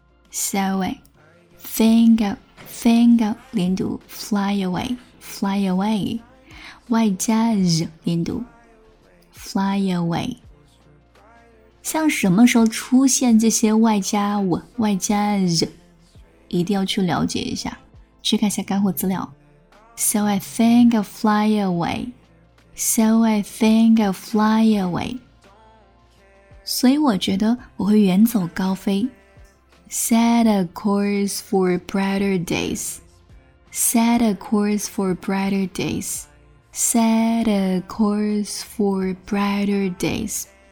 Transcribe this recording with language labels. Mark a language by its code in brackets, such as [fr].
[en] So I think I'll. Think of 连读 fly away, fly away, 外加 z 连读 fly away. [zh] 像什么时候出现这些外加 w, 外加 z, 一定要去了解一下，去看一下干货资料。 [en] So I think of fly away, so I think of fly away. [zh] 所以我觉得我会远走高飞。 [en] Set a course for brighter days. Set a course for brighter days. Set a course for brighter days.